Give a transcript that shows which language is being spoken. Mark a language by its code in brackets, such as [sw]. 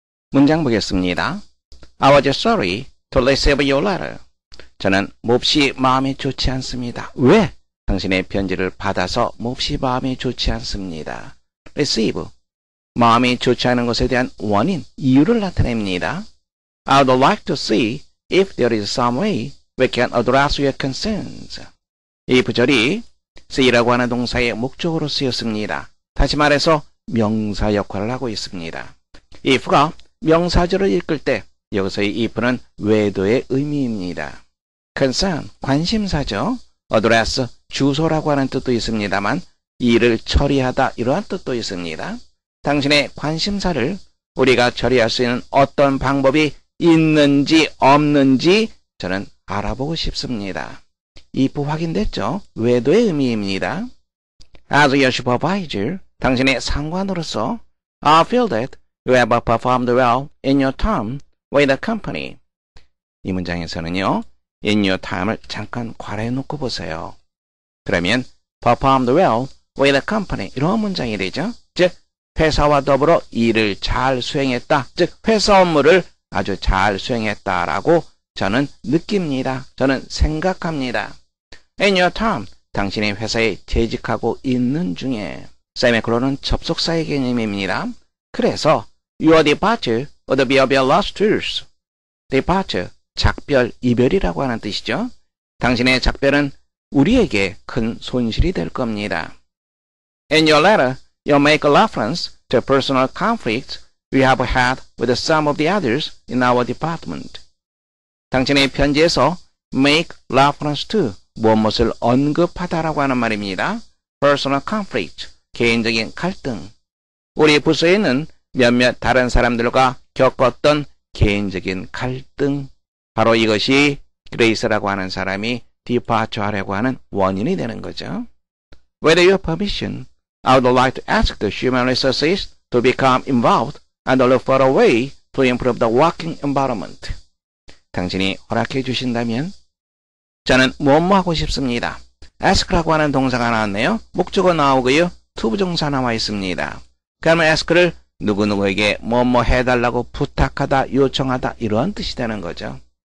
[ko] 문장 보겠습니다. [en] I was sorry to receive your letter. [ko] 저는 몹시 마음이 좋지 않습니다. 왜? 당신의 편지를 받아서 몹시 마음이 좋지 않습니다. [en] Receive. [ko] 마음이 좋지 않은 것에 대한 원인, 이유를 나타냅니다. [en] I would like to see if there is some way we can address your concerns. [ko] 이 부절이 see라고 하는 동사의 목적으로 쓰였습니다. 다시 말해서 명사 역할을 하고 있습니다. if가 명사절을 읽을 때 여기서의 if는 외도의 의미입니다. concern, 관심사죠. address, 주소라고 하는 뜻도 있습니다만 일을 처리하다 이러한 뜻도 있습니다. 당신의 관심사를 우리가 처리할 수 있는 어떤 방법이 있는지 없는지 저는 알아보고 싶습니다. if 확인됐죠? 외도의 의미입니다. [en] As your supervisor, [ko] 당신의 상관으로서 [en] I feel that you have performed well in your time with the company. [ko] 이 문장에서는요, [en] in your time [ko] 을 잠깐 괄호에 놓고 보세요. 그러면 [en] performed well with the company [ko] 이런 문장이 되죠. 즉, 회사와 더불어 일을 잘 수행했다. 즉, 회사 업무를 아주 잘 수행했다라고 저는 느낍니다. 저는 생각합니다. [en] In your time, [ko] 당신의 회사에 재직하고 있는 중에 세미콜론은 접속사의 개념입니다. 그래서 [en] Your departure would be of your last tools. [ko] Departure, 작별, 이별이라고 하는 뜻이죠. 당신의 작별은 우리에게 큰 손실이 될 겁니다. [en] In your letter, you make a reference to personal conflicts we have had with some of the others in our department. [ko] 당신의 편지에서 [en] make reference to [ko] 무엇을 언급하다라고 하는 말입니다. Personal conflict, 개인적인 갈등. 우리 부서에 있는 몇몇 다른 사람들과 겪었던 개인적인 갈등. 바로 이것이 그레이스라고 하는 사람이 departure 하려고 하는 원인이 되는 거죠. [en] With your permission, I would like to ask the human resources to become involved and look for a way to improve the working environment. [ko] 당신이 허락해 주신다면 저는 뭐뭐 하고 싶습니다. ask라고 하는 동사가 나왔네요. 목적어 나오고요. to 부정사 나와 있습니다. 그러면 ask를 누구누구에게 뭐뭐 해달라고 부탁하다, 요청하다 이러한 뜻이 되는 거죠.